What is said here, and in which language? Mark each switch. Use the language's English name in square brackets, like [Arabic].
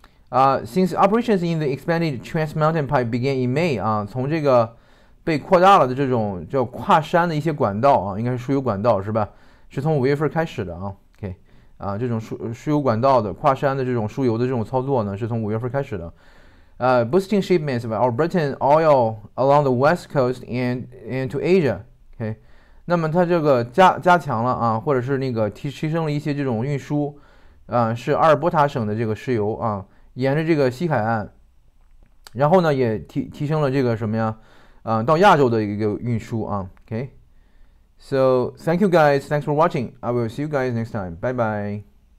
[English] Since operations in the expanded Trans Mountain Pipe began in May， [Chinese] 从这个被扩大了的这种叫跨山的一些管道啊，应该是输油管道是吧？是从5月份开始的啊，OK，这种输油管道的跨山的这种输油的这种操作呢，是从5月份开始的。 [English] Boosting shipments of Albertan oil along the west coast and to Asia。 [Chinese] OK，那么它这个加强了啊，或者是那个提升了一些这种运输，是阿尔伯塔省的这个石油啊。沿着这个西海岸，然后呢，也提升了这个什么呀？到亚洲的一个运输啊。 [English] OK，so thank you guys, thanks for watching. I will see you guys next time. Bye bye.